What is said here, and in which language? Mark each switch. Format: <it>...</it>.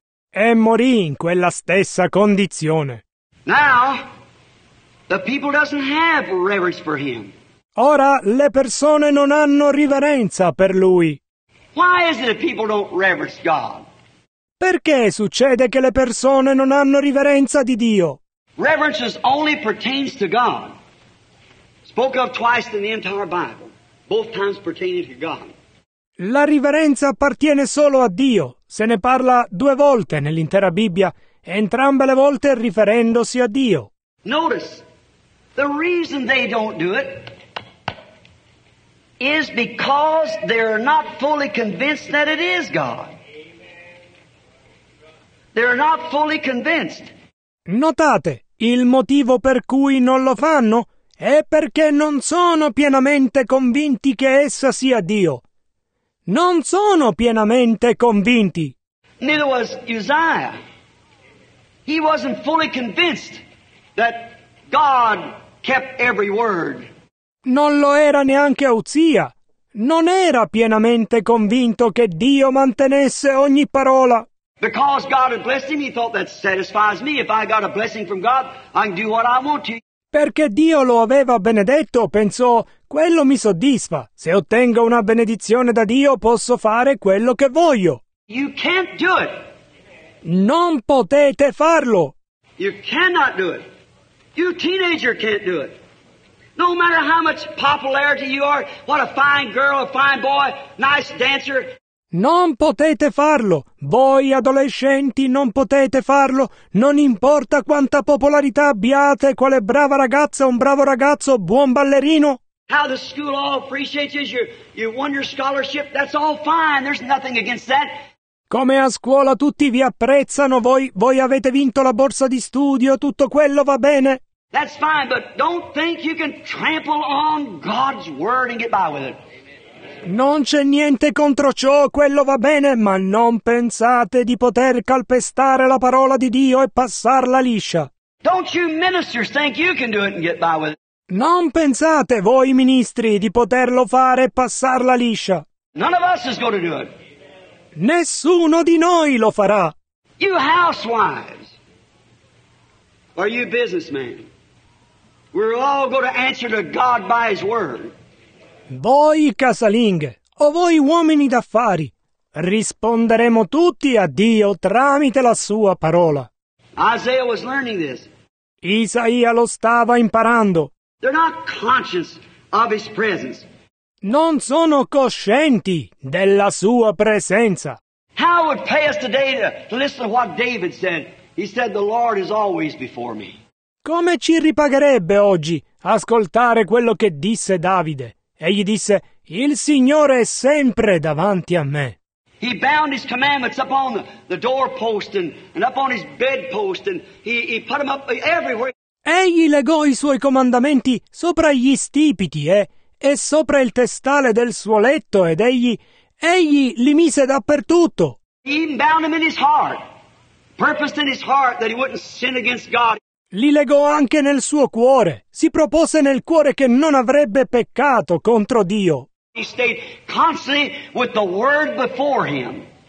<it>E morì in quella stessa condizione.</it> <en>Now, the people doesn't have reverence for him.</en> <it>Ora le persone non hanno riverenza per lui.</it> <en>Why is it that people don't reverence God?</en> <it>Perché succede che le persone non hanno riverenza di Dio?</it> <en>Reverence only pertains to God. Spoke of twice in the entire Bible, both times pertaining to God.</en> <it>La riverenza appartiene solo a Dio. Se ne parla due volte nell'intera Bibbia, entrambe le volte riferendosi a Dio.</it> <en>Notice, the reason they don't do it is because they're not fully convinced that it is God. They're not fully convinced.</en> <it>Notate, il motivo per cui non lo fanno è perché non sono pienamente convinti che essa sia Dio. Non sono pienamente convinti.</it> <en>Neither was Uzziah. He wasn't fully convinced that God kept every word.</en> <it>Non lo era neanche Uzzia. Non era pienamente convinto che Dio mantenesse ogni parola.</it> <en>Because God had blessed him, he thought that satisfies me. If I got a blessing from God, I can do what I want to.</en> <it>Perché Dio lo aveva benedetto, pensò, quello mi soddisfa. Se ottengo una benedizione da Dio, posso fare quello che voglio.</it> <en>You can't do it.</en> <it>Non potete farlo.</it> <en>You cannot do it. You teenager can't do it. No matter how much popularity you are, what a fine girl, a fine boy, nice dancer.</en> <it>Non potete farlo. Voi adolescenti non potete farlo. Non importa quanta popolarità abbiate, quale brava ragazza, un bravo ragazzo, buon ballerino.</it> <en>How the school all appreciates you, you won your scholarship, that's all fine, there's nothing against that.</en> <it>Come a scuola tutti vi apprezzano, voi avete vinto la borsa di studio, tutto quello va bene.</it> <en>That's fine, but don't think you can trample on God's word and get by with it.</en> <it>Non c'è niente contro ciò, quello va bene, ma non pensate di poter calpestare la parola di Dio e passarla liscia.</it> <en>Don't you ministers think you can do it and get by with it?</en> <it>Non pensate voi ministri di poterlo fare e passarla liscia.</it> <en>None of us is going to do it.</en> <it>Nessuno di noi lo farà.</it> <en>You housewives, or you businessmen, we're all going to answer to God by His word.</en> <it>Voi casalinghe o voi uomini d'affari, risponderemo tutti a Dio tramite la Sua parola.</it> <en>Isaiah was learning this.</en> <it>Isaia lo stava imparando.</it> <en>They're not conscious of His presence.</en> <it>Non sono coscienti della sua presenza.</it> <en>How would pay us today to listen to what David said? He said, "The Lord is always before me."</en> <it>Come ci ripagherebbe oggi ascoltare quello che disse Davide? Egli disse, "Il Signore è sempre davanti a me."</it> <en>He bound His commandments up on the doorpost and up on His bedpost and he put them up everywhere.</en> <it>Egli legò i suoi comandamenti sopra gli stipiti e sopra il testale del suo letto ed egli li mise dappertutto.</it> <en>He even bound them in his heart, purposed in his heart that he wouldn't sin against God.</en> <it>Li legò anche nel suo cuore, si propose nel cuore che non avrebbe peccato contro Dio.</it> <en>He stayed constantly with the word before him.</en>